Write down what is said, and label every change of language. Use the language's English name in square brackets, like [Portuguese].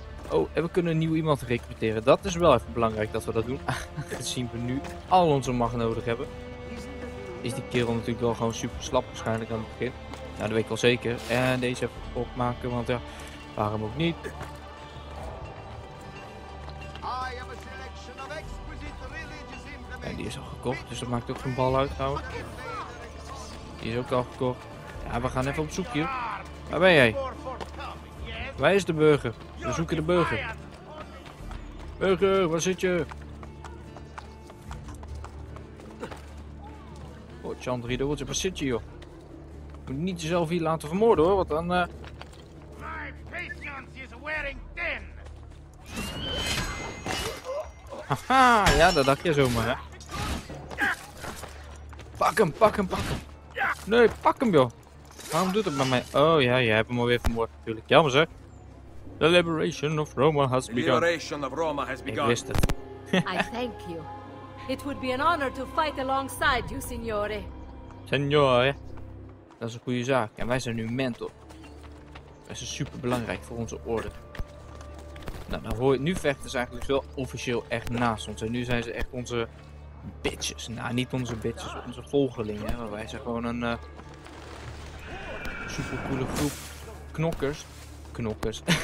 [Dutch] Oh, en we kunnen een nieuw iemand recruteren. Dat is wel even belangrijk dat we dat doen. Aangezien we nu al onze macht nodig hebben. Is die kerel natuurlijk wel gewoon super slap waarschijnlijk aan het begin. Nou, dat weet ik wel zeker. En deze even opmaken, want ja, waarom ook niet. [English] have a selection of exquisite religious implements. [Dutch] En die is al gekocht, dus dat maakt ook geen bal uit, trouwens. Die is ook al gekocht. Ja, we gaan even op zoek, joh. Waar ben jij? Waar is de burger? We zoeken de burger. Burger, waar zit je? Oh, Chandri, waar zit je, joh? Je moet niet jezelf hier laten vermoorden, hoor, want dan... Haha, ja, dat dacht je zomaar, hè. Pak hem, pak hem, pak hem. Nee, pak hem, joh. Waarom doet het met mij? Oh, ja, jij hebt hem alweer vermoord, natuurlijk. Jammer, zeg. [English] The liberation of Roma has begun. Liberation of Roma has begun. [Dutch] Ik wist het. [English] I thank you. It would be an honor to fight alongside you, signore. [Dutch] Signore. Dat is een goede zaak. En wij zijn nu mentor. Dat is super belangrijk voor onze orde. Nou, dan hoor je, nu vechten ze eigenlijk wel officieel echt naast ons. En nu zijn ze echt onze bitches. Nou, niet onze bitches, onze volgelingen. Maar wij zijn gewoon een supercoole groep knokkers. Knokkers.